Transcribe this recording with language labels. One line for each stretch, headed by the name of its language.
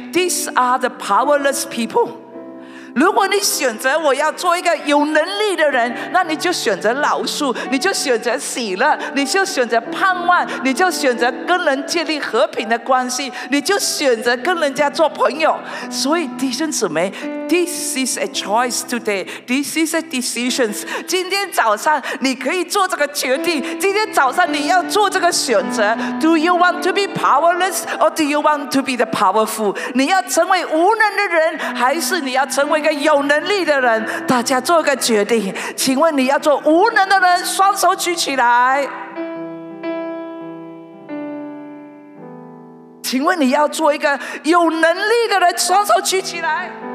English: These are the powerless people。
Chinese: 如果你选择我要做一个有能力的人，那你就选择饶恕，你就选择喜乐，你就选择盼望，你就选择跟人建立和平的关系，你就选择跟人家做朋友。所以弟兄姊妹，
English: This is a choice today. This is a decision.
Chinese: 今天早上你可以做这个决定，今天早上你要做这个选择。
English: Do you want to be powerless or do you want to be the powerful?
Chinese: 你要成为无能的人还是你要成为一个有能力的人？大家做个决定。请问你要做无能的人，双手举起来。请问你要做一个有能力的人，双手举起来。